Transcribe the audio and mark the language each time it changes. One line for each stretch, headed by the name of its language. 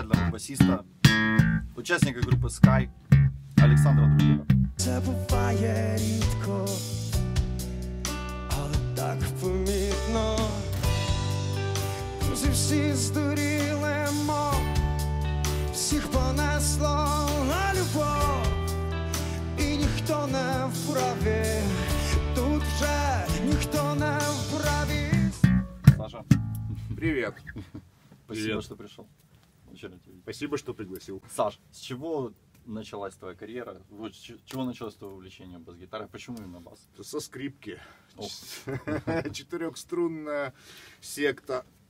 Russian: басиста, участника группы Sky Александра Друзина.
Ukrainian: Це буває рідко, але так помітно. Друзі всі здуріли, мов, всіх понесло на любов. І ніхто не вправі, тут вже ніхто не вправі. Саша, привіт.
Russian: Спасибо, привет, что пришел. Спасибо, что пригласил. Саш, с чего началась твоя карьера? Вот, с чего началось твое увлечение бас-гитарой? Почему именно бас? Со скрипки. Четырехструнная секта.